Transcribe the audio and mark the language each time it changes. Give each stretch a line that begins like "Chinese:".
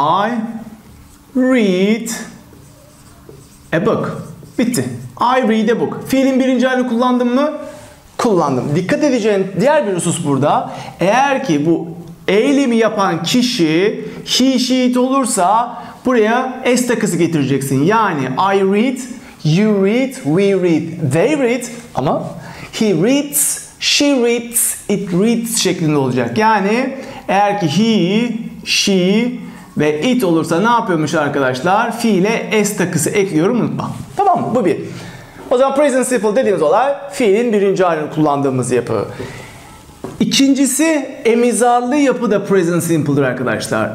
English: I read a book.
Turkish: Bitti.
English: I read a book.
Turkish: Fiilin birinci halini kullandım mı? Kullandım. Dikkat edeceğin diğer bir husus burada. Eğer ki bu eylemi yapan kişi he, she, it olursa buraya s takısı getireceksin. Yani
English: I read, you read, we read, they read
Turkish: ama
English: he reads, she reads, it reads
Turkish: şeklinde olacak. Yani eğer ki he, she ve it olursa ne yapıyormuş arkadaşlar? Fiile s takısı ekliyorum, unutma. Tamam mı? Bu bir. O zaman present simple dediğimiz olay fiilin birinci halini kullandığımız yapı. İkincisi emizalı yapı da present simple'dır arkadaşlar.